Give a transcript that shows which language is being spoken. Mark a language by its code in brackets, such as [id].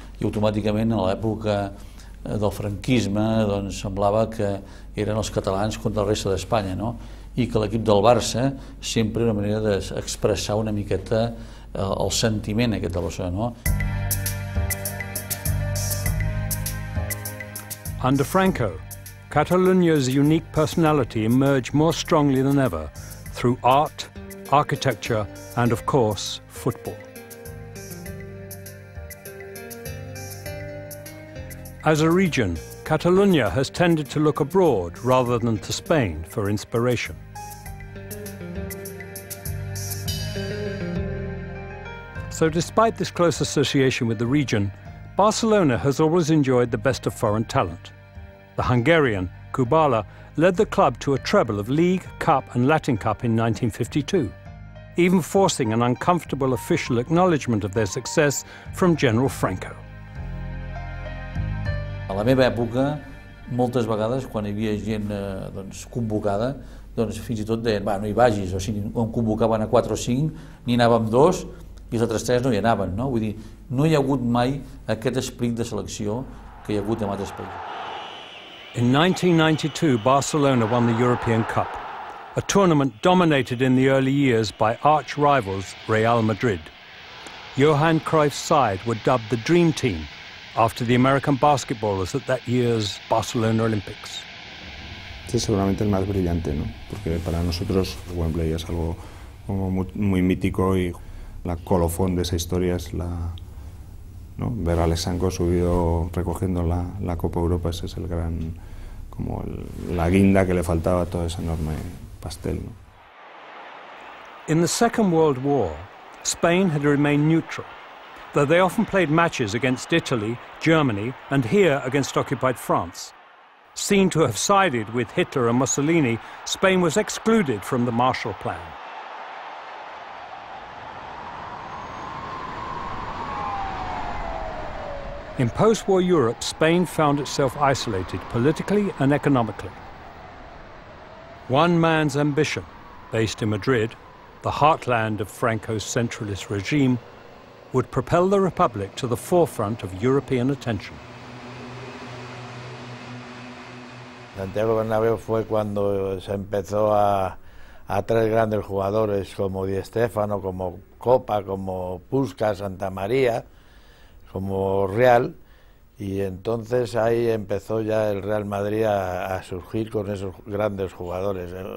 [ca] I automàticament en l'època del franquisme doncs semblava que eren els catalans contra la resta d'Espanya, no? I que l'equip del Barça sempre era una manera d'expressar una miqueta el sentiment aquest de Barcelona, no? [en] Under Franco, Catalunya's unique personality emerged more strongly than ever through art, architecture, and of course, football. As a region, Catalunya has tended to look abroad rather than to Spain for inspiration. So despite this close association with the region, Barcelona has always enjoyed the best of foreign talent. The Hungarian, Kubala, led the club to a treble of League, Cup and Latin Cup in 1952, even forcing an uncomfortable official acknowledgement of their success from General Franco. [ca] A la meva època, moltes vegades, quan hi havia gent doncs, convocada, doncs, fins i tot deien, va, no hi vagis, o sigui, on convocaven a 4 o 5, n'hi anàvem dos, i els altres tres no hi anaven, no? Vull dir, no hi ha hagut mai aquest esprit de selecció que hi ha hagut en altres països. [en] In 1992, Barcelona won the European Cup, a tournament dominated in the early years by arch-rivals Real Madrid. Johan Cruyff's side were dubbed the Dream Team, after the American basketballers at that year's Barcelona Olympics. [es] Este seguramente el más brillante, ¿no? Porque para nosotros Wembley es algo como muy mítico y la colofón de esa historia es la, ¿no? Ver a Alessanco subido recogiendo la Copa Europa, ese es el gran, como la guinda que le faltaba a todo ese enorme pastel, ¿no? [en] In the Second World War, Spain had remained neutral, though they often played matches against Italy, Germany, and here against occupied France. Seen to have sided with Hitler and Mussolini, Spain was excluded from the Marshall Plan. In post-war Europe, Spain found itself isolated politically and economically. One man's ambition, based in Madrid, the heartland of Franco's centralist regime, would propel the Republic to the forefront of European attention. [es] Santiago Bernabéu fue cuando se empezó a traer grandes jugadores como Di Stéfano, como Copa, como Puskás, Santa María, como Real, y entonces ahí empezó ya el Real Madrid a surgir con esos grandes jugadores.